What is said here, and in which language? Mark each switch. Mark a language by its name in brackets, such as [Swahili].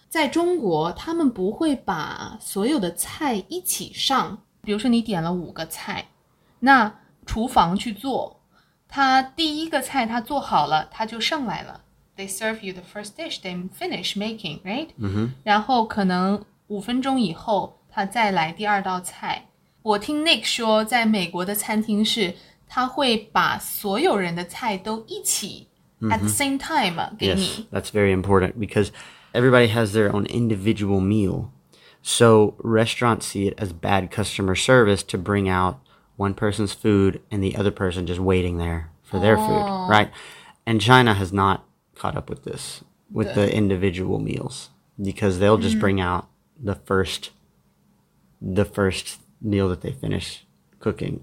[Chinese] 在中国，他们不会把所有的菜一起上。比如说你点了五个菜，那厨房去做，他第一个菜他做好了，他就上来了。 [English] They serve you the first dish, they finish making, right? Mm-hmm. [Chinese] 然后可能五分钟以后他再来第二道菜。我听 Nick 说在美国的餐厅是他会把所有人的菜都一起、 mm-hmm. [English] at the same time [Chinese] 给你。 [English] Yes, that's very important because everybody has their own individual meal. So restaurants see it as bad customer service to bring out one person's food and the other person just waiting there for their food, right? And China has not caught up with this, with the individual meals, because they'll just bring out the first meal that they finish cooking.